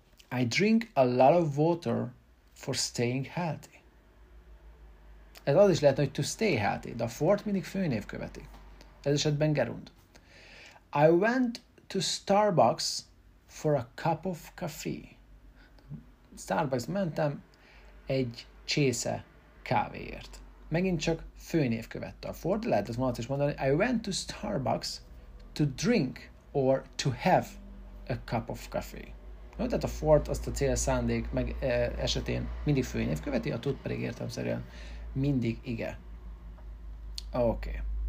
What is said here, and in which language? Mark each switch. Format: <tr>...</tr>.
<en>I drink a lot of water for staying healthy.</en> <hu>Ez az is lehet, hogy</hu> <en>to stay healthy,</en> <hu>de a fort mindig főnév követi. Ez esetben gerund.</hu> <en>I went to Starbucks for a cup of coffee.</en> <hu>Starbucks mentem egy csésze kávéért. Megint csak főnév követte a fort, lehet az mondat is mondani,</hu> <en>I went to Starbucks to drink or to have a cup of coffee.</en> <hu>No, tehát a fort azt a cél szándék meg esetén mindig főnév követi, a tud pedig értelemszerűen mindig ige. Oké. Okay.</hu>